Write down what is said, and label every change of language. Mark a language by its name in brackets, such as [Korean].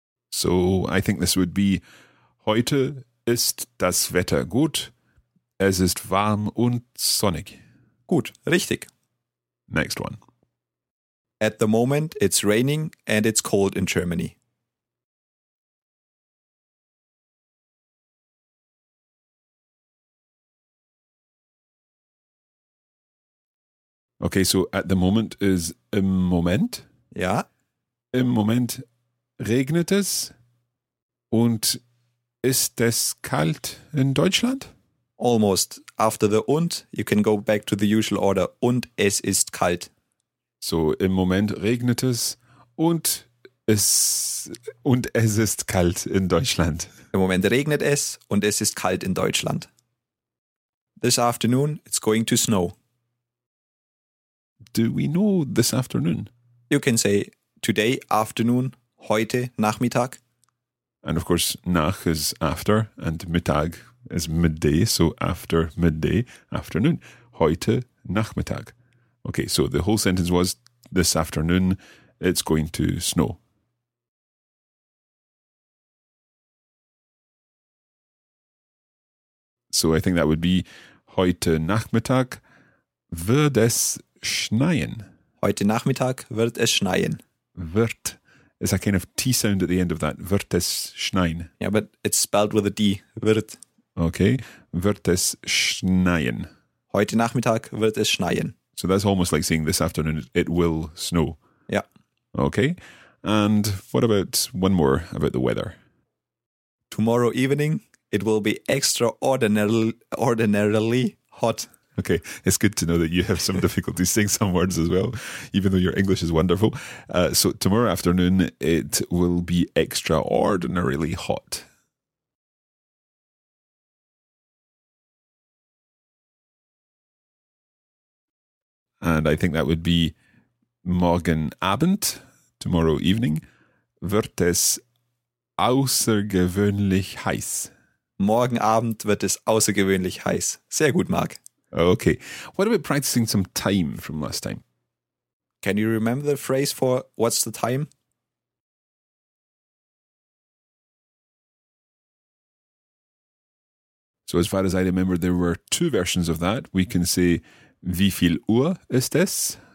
[English] So I think this would be [German] heute ist das Wetter gut, es ist warm und sonnig. Gut, richtig. [English] Next one. At the moment it's raining and it's cold in Germany. Okay, so at the moment is [German] im Moment. Ja. Im Moment regnet es und ist es kalt in Deutschland? [English] Almost. After the und, you can go back to the usual order. [German] Und es ist kalt. So, im Moment regnet es und es ist kalt in Deutschland. Im Moment regnet es und es ist kalt in Deutschland. [English] This afternoon, it's going to snow. Do we know this afternoon? You can say today, afternoon, [German] heute, Nachmittag. [English] And of course, nach is after, and Mittag is midday, so after midday, afternoon. [German] Heute Nachmittag. [English] Okay, so the whole sentence was, this afternoon it's going to snow. So I think that would be, [German] heute Nachmittag wird es schneien. Heute Nachmittag wird es schneien. Wird. [English] It's a kind of T sound at the end of that. [German] Wird es schneien. [English] Yeah, but it's spelled with a D. [German] Wird. Okay. Wird es schneien. Heute Nachmittag wird es schneien. [English] So that's almost like saying this afternoon it will snow. Yeah. Okay. And what about one more about the weather? Tomorrow evening it will be extraordinarily hot. Okay, it's good to know that you have some difficulty saying some words as well, even though your English is wonderful. So tomorrow afternoon, it will be extraordinarily hot. And I think that would be [German] morgen Abend, [English] tomorrow evening, [German] wird es außergewöhnlich heiß. Morgen Abend wird es außergewöhnlich heiß. Sehr gut, Marc. [English] Okay. What about practicing some time from last time? Can you remember the phrase for what's the time? So as far as I remember, there were two versions of that. We can say, [German] wie viel Uhr ist es?